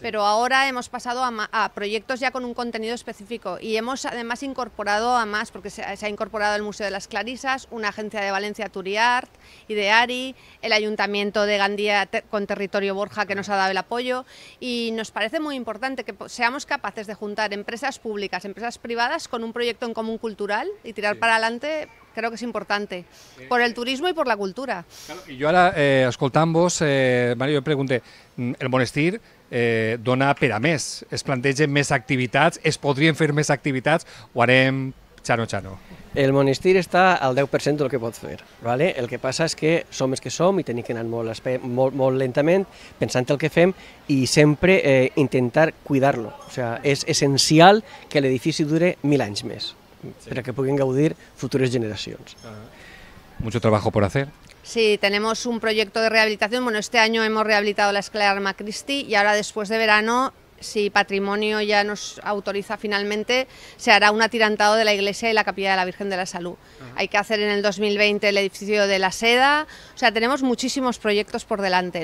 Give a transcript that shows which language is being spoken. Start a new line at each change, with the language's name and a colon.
Spanish: Pero ahora hemos pasado a proyectos ya con un contenido específico y hemos además incorporado a más, porque se ha incorporado el Museo de las Clarisas, una agencia de Valencia Turiart y de ARI, el Ayuntamiento de Gandía con Territorio Borja que nos ha dado el apoyo, y nos parece muy importante que seamos capaces de juntar empresas públicas, empresas privadas con un proyecto en común cultural y tirar, sí, para adelante, creo que es importante, por el turismo y por la cultura. Claro, y yo ahora,
Catalan: escoltant-vos, Mario,
Spanish: yo pregunté,
Catalan: el monestir dona per a més, es plantegen més activitats, es podrien fer més activitats, o anem xano-xano? El monestir està al 10% del que pot fer, ¿vale? El que passa és que som els que som i hem d'anar molt lentament, pensant el que fem i sempre intentar cuidar-lo. O sigui, és essencial que l'edifici dure 1000 anys més, sí, perquè puguin gaudir futures generacions.
Spanish: Mucho trabajo por hacer. Sí, tenemos un proyecto de rehabilitación. Bueno, este año hemos rehabilitado la Escuela de Alma Christi y ahora, después de verano, si Patrimonio ya nos autoriza finalmente, se hará un atirantado de la iglesia y la capilla de la Virgen de la Salud. Ajá. Hay que hacer en el 2020 el edificio de la Seda. O sea, tenemos muchísimos proyectos por delante.